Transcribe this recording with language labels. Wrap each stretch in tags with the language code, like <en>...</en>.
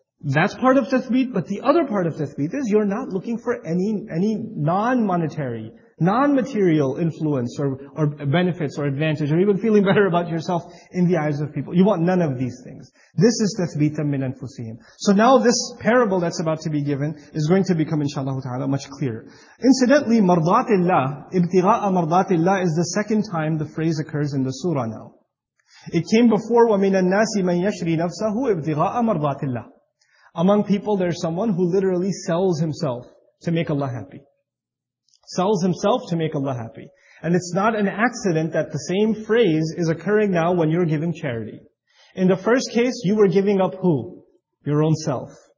<en>That's part of tathbeet, but the other part of tathbeet is you're not looking for any non-monetary, non-material influence or benefits or advantage or even feeling better about yourself in the eyes of people. You want none of these things. This is tathbeet min anfusihim. So now this parable that's about to be given is going to become, inshallah ta'ala, much clearer. Incidentally, mardatillah, ibtigha'a mardatillah is the second time the phrase occurs in the surah now. It came before,</en> <ar>وَمِنَ النَّاسِ مَنْ يَشْرِي نَفْسَهُ ابْتِغَاءَ مَرْضَاتِ اللَّهِ.</ar> <en>Among people, there's someone who literally sells himself to make Allah happy. Sells himself to make Allah happy. And it's not an accident that the same phrase is occurring now when you're giving charity. In the first case, you were giving up who? Your own self.</en>